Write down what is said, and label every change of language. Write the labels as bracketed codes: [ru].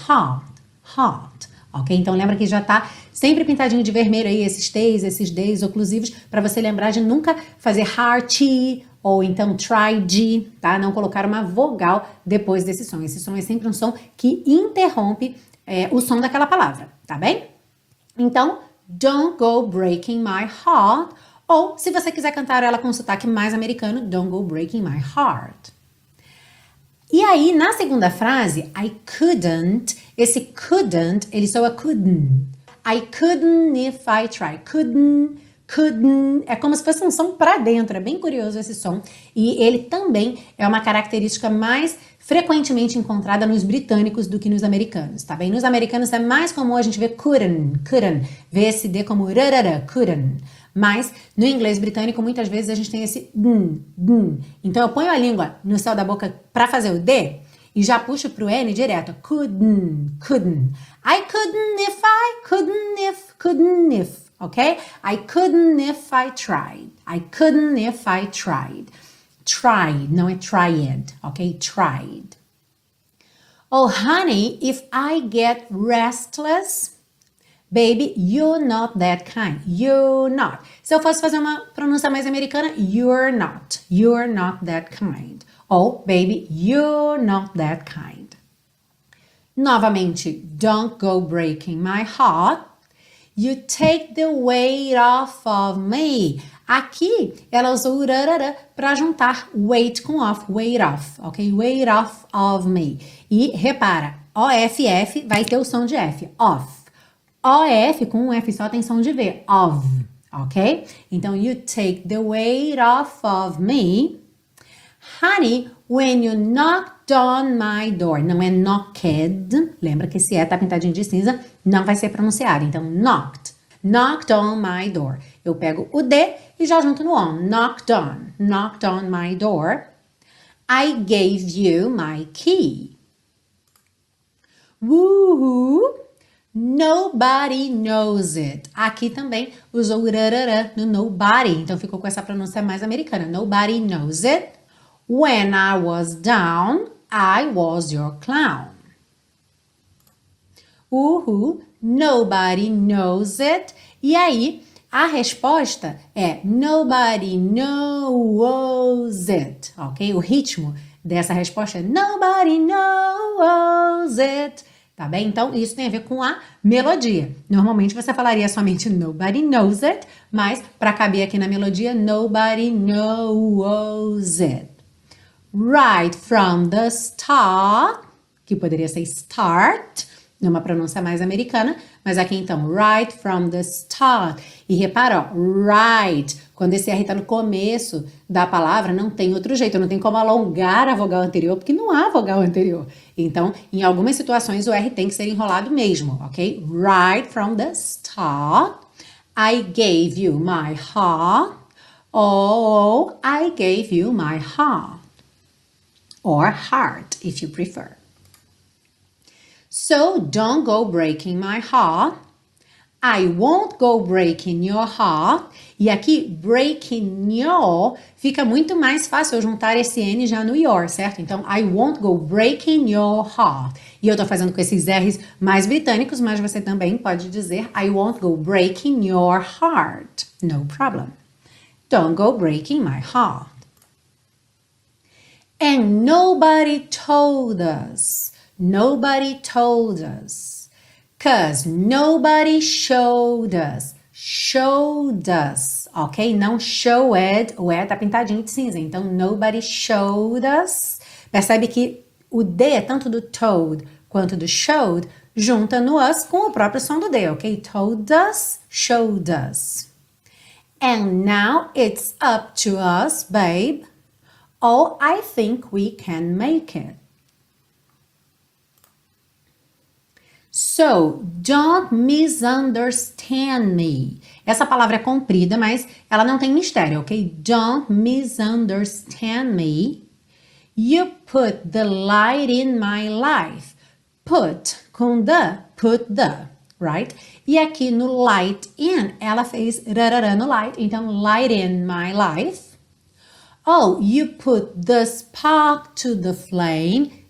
[en] Heart, heart. [pt] Ok? Então, lembra que já tá sempre pintadinho de vermelho aí, esses T's, esses D's oclusivos, para você lembrar de nunca fazer hearty ou então try-G, tá? Não colocar uma vogal depois desse som. Esse som é sempre um som que interrompe o som daquela palavra, tá bem? [en] Então, don't go breaking my heart. [pt] Ou, se você quiser cantar ela com um sotaque mais americano, [en] don't go breaking my heart. [pt] E aí, na segunda frase, [en] I couldn't, [pt] esse couldn't, ele soa couldn't. [en] I couldn't if I tried, couldn't, [pt] é como se fosse um som para dentro, é bem curioso esse som. E ele também é uma característica mais frequentemente encontrada nos britânicos do que nos americanos, tá bem? Nos americanos é mais comum a gente ver couldn't, ver esse D como rarara, couldn't. Mas, no inglês britânico, muitas vezes a gente tem esse n. Então, eu ponho a língua no céu da boca para fazer o D e já puxo pro N direto. [en] Couldn't. I couldn't if I, couldn't if, ok? I couldn't if I tried. I couldn't if I tried. Tried, [pt] não é [en] tried, ok? Tried. Oh, honey, if I get restless, baby, you're not that kind. You're not. [pt] Se eu fosse fazer uma pronúncia mais americana, [en] you're not. You're not that kind. Oh, baby, you're not that kind. Novamente, don't go breaking my heart. You take the weight off of me. [pt] Aqui, ela usou rarara para juntar weight com off. [en] Weight off, ok? Weight off of me. [pt] E repara, off vai ter o som de F. [en] Off. [pt] OF com um F só tem som de V, of, ok? [en] Então, you take the weight off of me. Honey, when you knocked on my door, [pt] não é knocked, lembra que esse E tá pintadinho de cinza, não vai ser pronunciado. [en] Então, knocked, knocked on my door. [pt] Eu pego o D e já junto no on, [en] knocked on, knocked on my door. I gave you my key. Woohoo! Nobody knows it. [pt] Aqui também usou rarara no nobody, então ficou com essa pronúncia mais americana. [en] Nobody knows it. When I was down, I was your clown. Uhu, nobody knows it. [pt] E aí, a resposta é [en] nobody knows it, [pt] ok? O ritmo dessa resposta é [en] nobody knows it. [pt] Tá bem? Então, isso tem a ver com a melodia. Normalmente, você falaria somente [en] nobody knows it, [pt] mas para caber aqui na melodia, nobody knows it. [en] Right from the start, [pt] que poderia ser start, numa pronúncia mais americana, mas aqui então, [en] right from the start. [pt] E repara, ó, right, quando esse R está no começo da palavra, não tem outro jeito, não tem como alongar a vogal anterior, porque não há vogal anterior. Então, em algumas situações, o R tem que ser enrolado mesmo, ok? [en] Right from the start, I gave you my heart, or I gave you my heart, or heart, if you prefer. So, don't go breaking my heart. I won't go breaking your heart. [pt] E aqui, [en] breaking your, [pt] fica muito mais fácil eu juntar esse N já no your, certo? [en] Então, I won't go breaking your heart. [pt] E eu tô fazendo com esses R's mais britânicos, mas você também pode dizer [en] I won't go breaking your heart. No problem. Don't go breaking my heart. And nobody told us. Nobody told us. K Because nobody showed us. Showed us, ok? [pt] Não showed, o E tá pintadinho de cinza. Então, [en] nobody showed us. [pt] Percebe que o D é tanto do told quanto do showed, junta no us com o próprio som do D, ok? [en] Told us, showed us. And now it's up to us, babe. Oh, I think we can make it. So, don't misunderstand me. [pt] Essa palavra é comprida, mas ela não tem mistério, ok? [en] Don't misunderstand me. You put the light in my life. Put, com the, put the, right? [pt] E aqui no light in, ela fez rarara no light. [en] Então, light in my life. Oh, you put the spark to the flame.